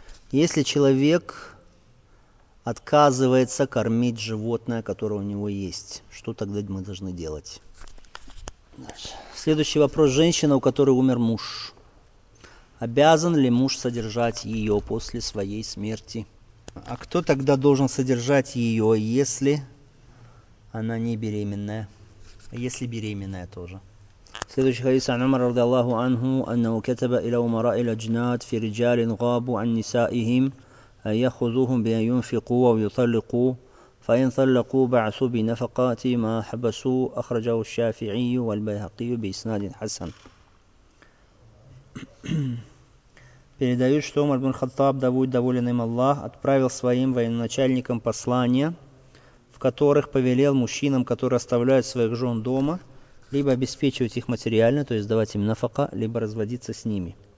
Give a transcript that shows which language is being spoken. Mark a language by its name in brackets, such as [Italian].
[Russian] Если человек отказывается кормить животное, которое у него есть, что тогда мы должны делать? Дальше. Следующий вопрос. Женщина, у которой умер муж. Обязан ли муж содержать ее после своей смерти? А кто тогда должен содержать ее, если она не беременная? А если беременная тоже? Следующий хадис. [Arabic] عن عمر رضي الله عنه أنه كتب إلى أمراء الأجناد في رجال غابوا عن نسائهم أن يأخذوهم بأن ينفقوا ويطلقوا فإن طلقوا بعثوا بنفقات ما حبسوا أخرجه الشافعي والبيهقي بإسناد حسن. [Russian] Передаю, что Умар бин Хаттаб, да будет доволен им Аллах, отправил своим военачальникам послания, в которых повелел мужчинам, которые оставляют своих жен дома, либо обеспечивать их материально, то есть давать им нафака, либо разводиться с ними.